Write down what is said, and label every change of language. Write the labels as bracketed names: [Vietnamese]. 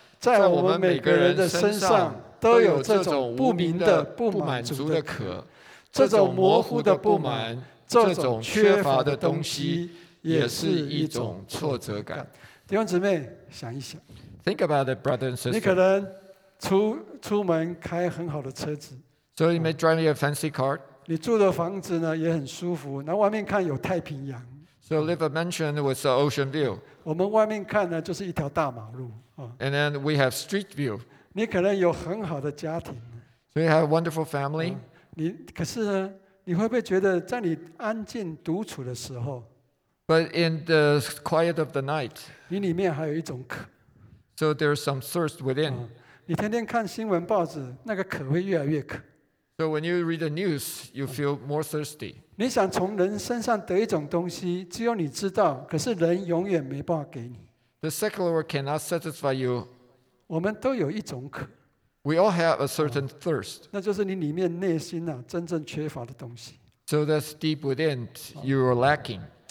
[Chinese] 在我们每个人的身上都有这种不明的不满足的渴，这种模糊的不满，这种缺乏的东西，也是一种挫折感。弟兄姊妹，想一想。 [English] Think about it, brother and sister. [Chinese] 你可能出门开很好的车子。 [English] So you may drive a fancy car. [Chinese] 你住的房子呢也很舒服，那外面看有太平洋。 [English] So live a mansion with the ocean view. [Chinese] 我们外面看呢就是一条大马路。 [English] And then we have street view. [Chinese] 你可能有很好的家庭。 [English] So you have a wonderful family. [Chinese] 可是呢，你会不会觉得在你安静独处的时候？ [English] But in the quiet of the night, [Chinese] 你里面还有一种渴。 [English] So there's some thirst within. [Chinese] 你天天看新闻报纸，那个渴会越来越渴。 [English] So when you read the news, you feel more thirsty. [Chinese] 你想从人身上得一种东西，只有你知道，可是人永远没办法给你。 [English] The secular cannot satisfy you. [Chinese] 我们都有一种渴。 [English] We all have a certain thirst. [Chinese] 那就是你里面内心真正缺乏的东西。 [English] So that's deep within you are lacking.